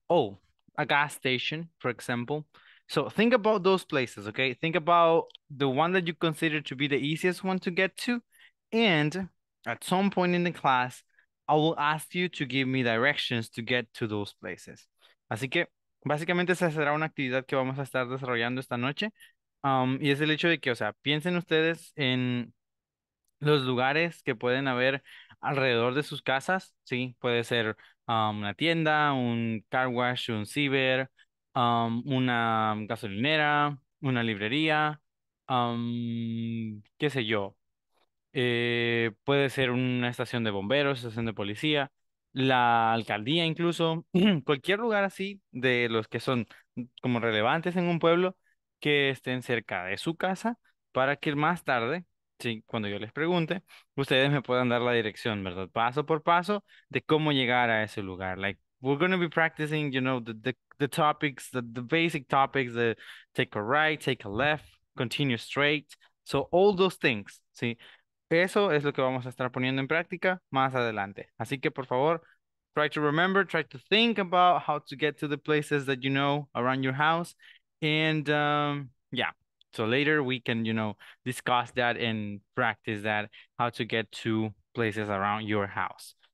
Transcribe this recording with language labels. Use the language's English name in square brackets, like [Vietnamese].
[English] Oh, a gas station, for example. So think about those places, okay? Think about the one that you consider to be the easiest one to get to, and at some point in the class, I will ask you to give me directions to get to those places. [Spanish] Así que básicamente esa será una actividad que vamos a estar desarrollando esta noche. Y es el hecho de que, o sea, piensen ustedes en los lugares que pueden haber alrededor de sus casas, ¿sí? Puede ser una tienda, un car wash, un ciber, una gasolinera, una librería, qué sé yo. Puede ser una estación de bomberos, estación de policía, la alcaldía incluso, cualquier lugar así de los que son como relevantes en un pueblo que estén cerca de su casa para que más tarde, ¿sí? Cuando yo les pregunte, ustedes me puedan dar la dirección, ¿verdad? Paso por paso de cómo llegar a ese lugar. [English] Like, we're going to be practicing, you know, the topics, the basic topics, the take a right, take a left, continue straight. So all those things, [Spanish] ¿sí? Eso es lo que vamos a estar poniendo en práctica más adelante. Así que, por favor, [English] try to remember, try to think about how to get to the places that you know around your house. And yeah, so later we can, you know, discuss that and practice that, how to get to places around your house.